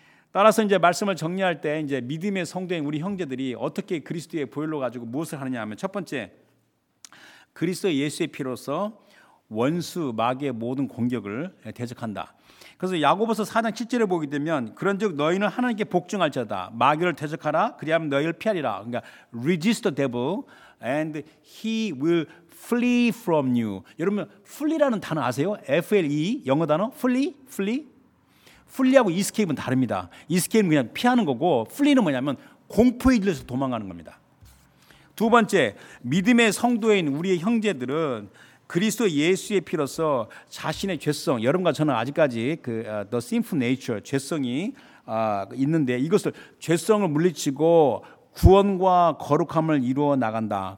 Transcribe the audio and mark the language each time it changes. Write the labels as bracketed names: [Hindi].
[Korean] 따라서 이제 말씀을 정리할 때 이제 믿음의 성도인 우리 형제들이 어떻게 그리스도의 보혈로 가지고 무엇을 하느냐 하면 첫 번째 그리스도 예수의 피로서 원수 마귀의 모든 공격을 대적한다. 그래서 야고보서 4장 7절에 보게 되면 그런즉 너희는 하나님께 복종할지어다 마귀를 대적하라 그리하면 너희를 피하리라. 그러니까 [English] resist the devil and he will flee from you. [Korean] 여러분 flee라는 단어 아세요? FLE 영어 단어 flee. flee하고 escape은 다릅니다. escape은 그냥 피하는 거고 flee는 뭐냐면 공포에 질려서 도망가는 겁니다. 두 번째 믿음의 성도인 우리의 형제들은 그리스도 예수의 피로서 자신의 죄성, 여러분과 저는 아직까지 그 [English] the sinful nature, [Korean] 죄성이 있는데 이것을 죄성을 물리치고 구원과 거룩함을 이루어 나간다.